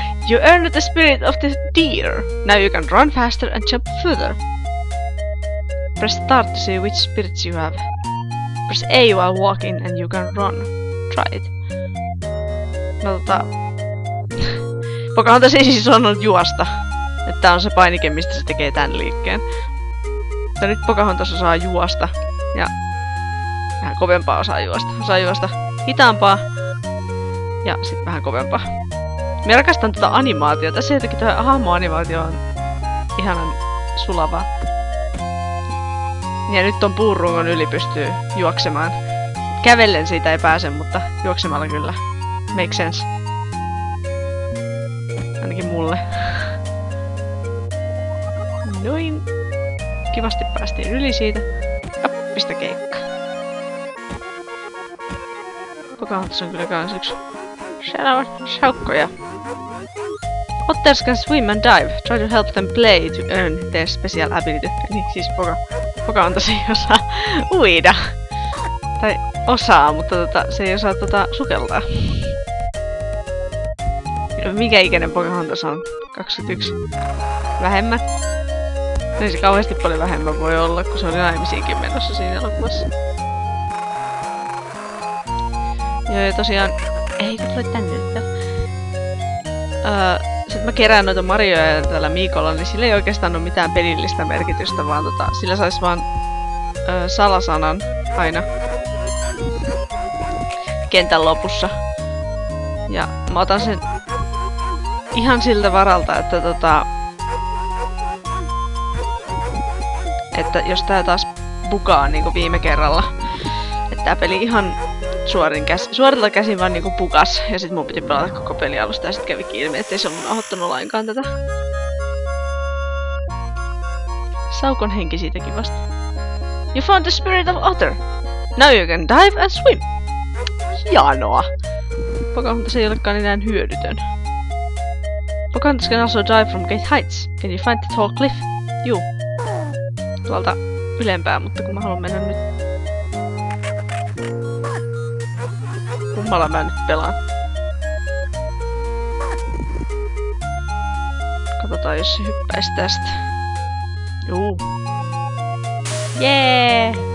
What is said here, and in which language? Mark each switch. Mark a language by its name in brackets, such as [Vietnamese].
[English] You earned the spirit of the deer. Now you can run faster and jump further. Press start to see which spirits you have. Press A while walking and you can run. Try it. [Finnish] No Pocahontas ei siis osannut juosta. Että tää on se painike, mistä se tekee tän liikkeen. Mutta nyt Pocahontas osaa juosta. Ja vähän kovempaa osaa juosta. Osaa juosta hitaampaa. Ja sit vähän kovempaa. Mä rakastan tätä animaatiota. Se jotenkin tää hahmo-animaatio on ihanan sulava. Ja nyt ton puurungon yli pystyy juoksemaan. Kävellen siitä ei pääse, mutta juoksemalla kyllä. [English] Make sense. [Finnish] ainakin mulle. Noin. Kivasti päästiin yli siitä. Pistä keikka. Pocahontas on kyllä kans yks Shadowin shaukkoja. [English] Otters can swim and dive. Try to help them play to earn their special ability. [Finnish] Eli siis Pocahontas ei osaa uida. Tai osaa, mutta se ei osaa sukeltaa. Mikä ikäinen Pocahontas on? 21. Vähemmän. Ei se kauheasti paljon vähemmän voi olla, kun se oli naimisiinkin menossa siinä elokuvassa. Joo, ja tosiaan... Ei, kun tulee tänne nyt. Sit mä kerään noita Marioja tällä Miikolla, niin sillä ei oikeastaan oo mitään pelillistä merkitystä, vaan sillä sais vaan salasanan aina kentän lopussa. Ja mä otan sen ihan siltä varalta, että että jos tää taas bukaa niinku viime kerralla. Että tää peli ihan suorilta käsin vaan niinku bukas. Ja sit mun piti pelata koko peli alusta ja sit kävi ilmi, ettei se mun ahottanut lainkaan tätä. Saukon henki siitäkin vasta. [English] You found the spirit of otter. Now you can dive and swim. [Finnish] Hienoa. Pocahontas ei olekaan enää hyödytön. [English] Pocahontas can also dive from great heights. Can you find the tall cliff? [Finnish] Juu. Tuolta ylempää, mutta kun mä haluan mennä nyt... Kummalla mä nyt pelaan? Katsotaan, jos se hyppäisi tästä. Juu. Jee!